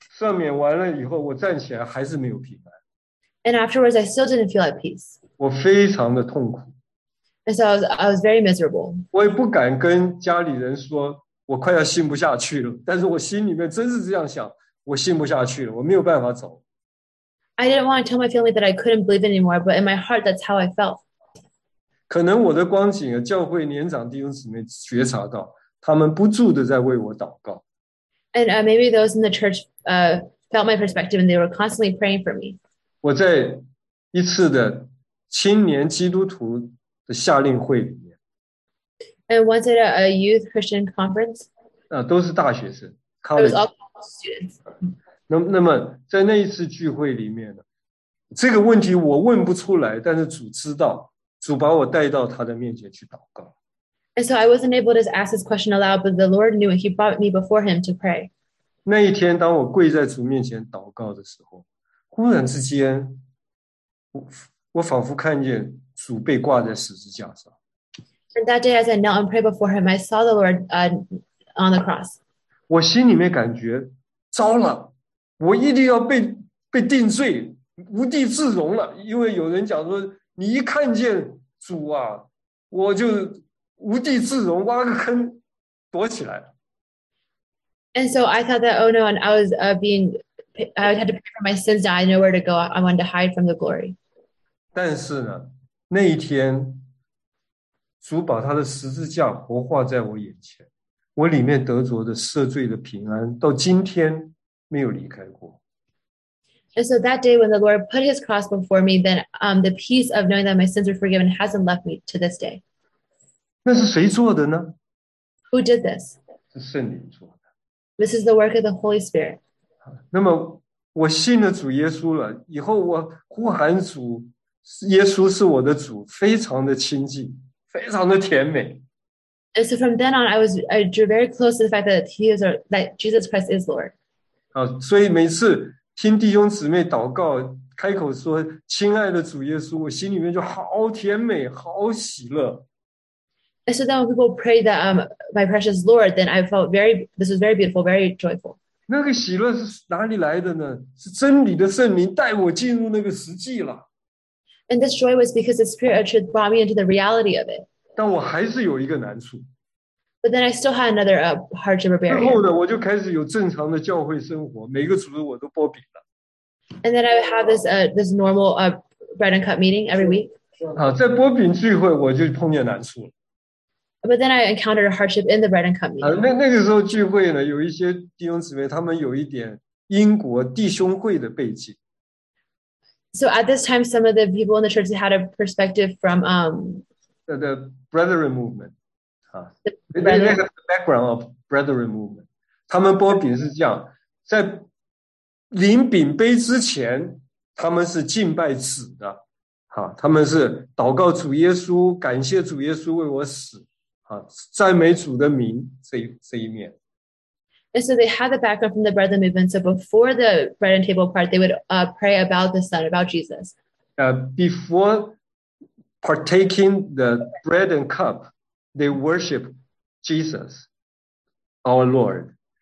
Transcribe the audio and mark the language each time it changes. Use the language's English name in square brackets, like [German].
[Chinese] 赦免完了以后，我站起来还是没有平安。 [English] And afterwards, I still didn't feel at peace. [Chinese] 我非常的痛苦。 [English] And so I was very miserable. [Chinese] 我也不敢跟家里人说我快要信不下去了，但是我心里面真是这样想，我信不下去了，我没有办法走。 [English] I didn't want to tell my family that I couldn't believe anymore, but in my heart, that's how I felt. [Chinese] 可能我的光景，教会年长弟兄姊妹觉察到，他们不住的在为我祷告。 [English] And maybe those in the church felt my perspective, and they were constantly praying for me. [Chinese] 我在一次的青年基督徒的夏令会里面。 [English] And once at a youth Christian conference. [Chinese] 都是大学生。 [English] It was all college students. [Chinese] 那么在那一次聚会里面呢，这个问题我问不出来，但是主知道，主把我带到他的面前去祷告。 [English] And so I wasn't able to ask this question aloud, but the Lord knew, and He brought me before Him to pray. [Chinese] 那一天，当我跪在主面前祷告的时候，忽然之间，我仿佛看见主被挂在十字架上。 [English] And that day, as I knelt and prayed before Him, I saw the Lord on the cross. [Chinese] 我心里面感觉糟了，我一定要被定罪，无地自容了。因为有人讲说，你一看见主啊，我就无地自容，挖个坑躲起来。 [English] And so I thought that, oh no, and I was being, I had to prepare my sins now. I know where to go. I wanted to hide from the glory. [Chinese] 但是呢，那一天，主把他的十字架活化在我眼前，我里面得着的赦罪的平安，到今天没有离开过。 [English] And so that day when the Lord put His cross before me, then the peace of knowing that my sins are forgiven hasn't left me to this day. [Chinese] 那是谁做的呢？ [English] Who did this? [Chinese] 是圣灵做的。 [English] This is the work of the Holy Spirit. [Chinese] 那么我信了主耶稣了，以后我呼喊主，耶稣是我的主，非常的亲近，非常的甜美。 [English] And so from then on, I drew very close to the fact that He is, that Jesus Christ is Lord. [Chinese] 所以每次听弟兄姊妹祷告，开口说“亲爱的主耶稣”，我心里面就好甜美，好喜乐。 [English] And so then when people prayed that my precious Lord, then I felt very, this was very beautiful, very joyful. [Chinese] 那个喜乐是哪里来的呢？是真理的圣灵带我进入那个实际了。 [English] And this joy was because the Spirit of Truth brought me into the reality of it. [Chinese] 但我还是有一个难处。 [English] But then I still had another hardship or barrier. [Chinese] 之后呢，我就开始有正常的教会生活，每个主日我都拨饼了。 [English] And then I would have this normal bread and cup meeting every week. [Chinese] 在拨饼聚会我就碰见难处了。 [English] But then I encountered a hardship in the bread and cup meeting. [Chinese] 那个时候聚会呢，有一些弟兄姊妹，他们有一点英国弟兄会的背景。 [English] So at this time, some of the people in the church had a perspective from the Brethren movement. The background of Brethren movement. [Chinese] 他们拨饼是这样，在领饼杯之前，他们是敬拜主的，他们是祷告主耶稣，感谢主耶稣为我死，赞美主的名，这一面。 [English] And so they had the background from the Brethren movement. So before the bread and table part, they would pray about the Son, about Jesus. Before partaking the bread and cup. They worship Jesus, our Lord.